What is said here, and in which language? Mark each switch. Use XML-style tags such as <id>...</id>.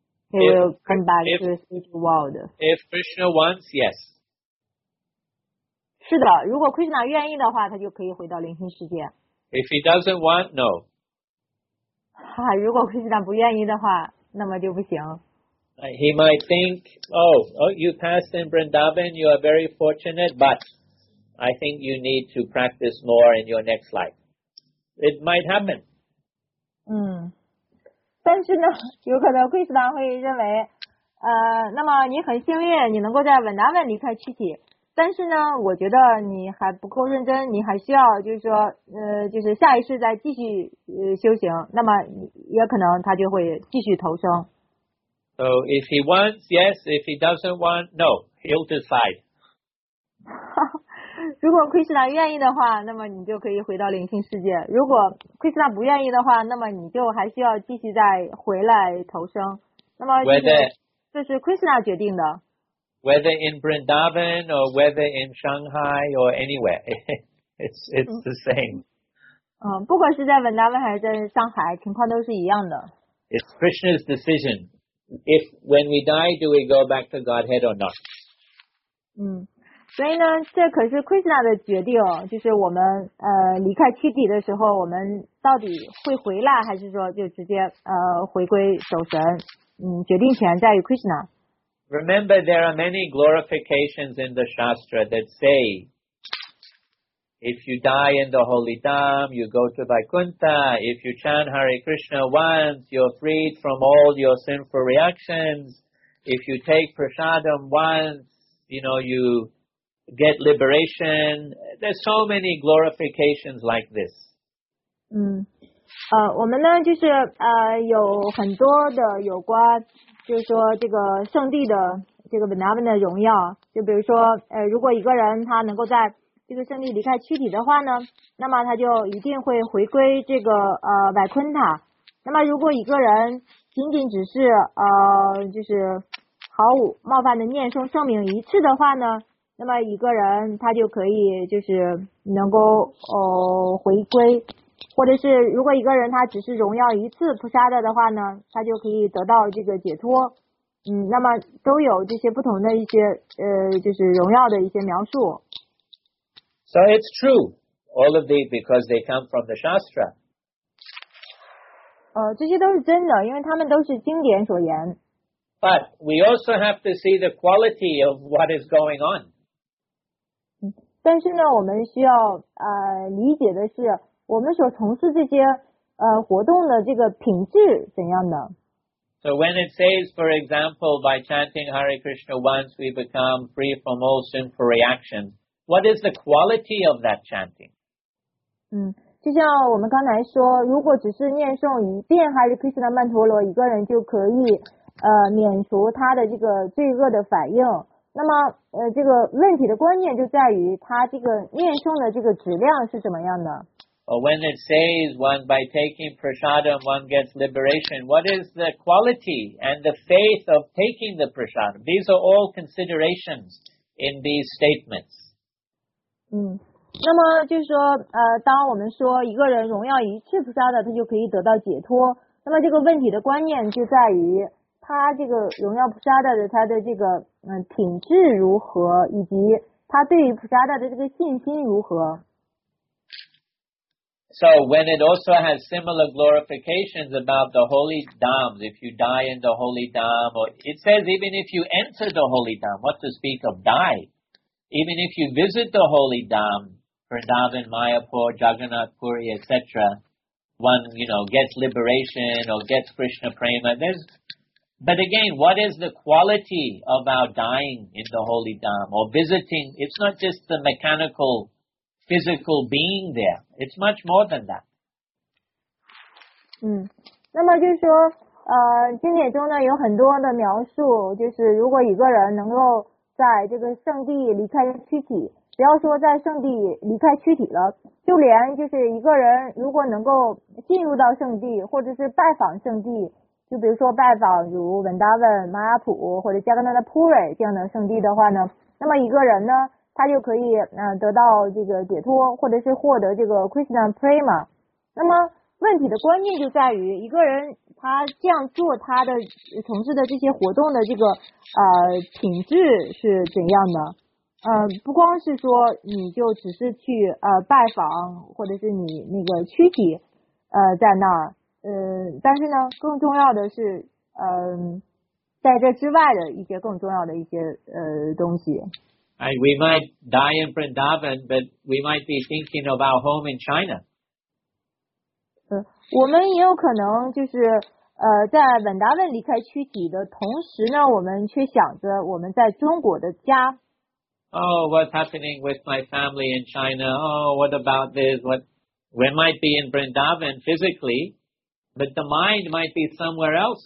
<en>He will come back to the spiritual world. If Krishna wants, yes.</en> <zh>是的，如果 Krishna 愿意的话，他就可以回到灵性世界。</zh> <en>If he doesn't want, no.</en> <zh>如果 Krishna 不愿意的话，那么就不行。</zh> <en>He might think, you passed in Vrindavan, you are very fortunate, but I think you need to practice more in your next life. It might happen.</en> <zh>但是呢，有可能 Krishna 会认为，那么你很幸运，你能够在稳达稳离开躯体。但是呢，我觉得你还不够认真，你还需要就是说，就是下一世再继续修行。那么也可能他就会继续投生。</zh> <en>So if he wants, yes. If he doesn't want, no. He'll decide.</en> <zh>如果 Krishna 愿意的话，那么你就可以回到灵性世界。如果 Krishna 不愿意的话，那么你就还需要继续再回来投生。那么这是 Krishna 决定的。</zh> <en>Whether in Vrindavan or whether in Shanghai or anywhere, it's the same.</en> <zh>不管是在 Vrindavan 还是在上海，情况都是一样的。</zh> <en>It's Krishna's decision. If when we die, do we go back to Godhead or not?</en> <zh>所以呢，这可是 Krishna 的决定，就是我们离开躯体的时候，我们到底会回来，还是说就直接回归守神？决定权在于 Krishna。</zh> <en>Remember, there are many glorifications in the Shastra that say, if you die in the holy dham, you go to Vaikuntha. If you chant Hare Krishna once, you're freed from all your sinful reactions. If you take prasadam once, you know you. Get liberation. There's so many glorifications like this.</en> <zh>我们呢就是有很多的有关，就是说这个圣地的这个 Vrindavan 的荣耀。就比如说如果一个人他能够在这个圣地离开躯体的话呢，那么他就一定会回归这个百昆塔。那么如果一个人仅仅只是就是毫无冒犯的念诵圣名一次的话呢？那么一个人他就可以就是能够回归，或者是如果一个人他只是荣耀一次菩萨的话呢，他就可以得到这个解脱。那么都有这些不同的一些就是荣耀的一些描述。</zh> <en>So it's true, all of these because they come from the Shastra.</en> <zh>这些都是真的，因为他们都是经典所言。</zh> <en>But we also have to see the quality of what is going on.</en> <zh>但是呢，我们需要理解的是，我们所从事这些活动的这个品质怎样的。</zh> <en>So when it says, for example, by chanting Hare Krishna once, we become free from all sinful reactions, what is the quality of that chanting?</en> <zh>就像我们刚才说，如果只是念诵一遍 Hare Krishna 曼陀罗，一个人就可以免除他的这个罪恶的反应，那么这个问题的关键就在于他这个念诵的这个质量是怎么样的。</zh> <en>Or when it says one by taking prasadam one gets liberation, what is the quality and the faith of taking the prasadam? These are all considerations in these statements.</en> <zh>那么就是说当我们说一个人荣耀一次菩萨的他就可以得到解脱，那么这个问题的关键就在于他这个荣耀菩萨的他的这个品质如何，以及他对于菩萨的这个信心如何。</zh> <en>So when it also has similar glorifications about the holy dhams, if you die in the holy dham, or it says even if you enter the holy dham, what to speak of die? Even if you visit the holy dham, Vrindavan, Mayapur, Jagannath, Puri, etc., one, you know, gets liberation or gets Krishna Prema. But again, what is the quality of our dying in the holy dham or visiting? It's not just the mechanical physical being there. It's much more than that.</en> <zh>那么就是说经典中呢有很多的描述，就是如果一个人能够在这个圣地离开躯体，不要说在圣地离开躯体了，就连就是一个人如果能够进入到圣地或者是拜访圣地，就比如说拜访如文达文马亚普或者加格纳的普瑞这样的圣地的话呢，那么一个人呢他就可以得到这个解脱，或者是获得这个 Krishna Prema。那么问题的关键就在于一个人他这样做他的从事的这些活动的这个品质是怎样的。不光是说你就只是去拜访，或者是你那个躯体在那儿，但是呢更重要的是在这之外的一些更重要的一些东西。</zh> <en>We might die in Vrindavan, but we might be thinking of our home in China.</en> <zh>我们也有可能就是在文达文离开躯体的同时呢，我们却想着我们在中国的家。</zh> <en>Oh, what's happening with my family in China? Oh, what about this? We might be in Vrindavan physically, but the mind might be somewhere else.</en>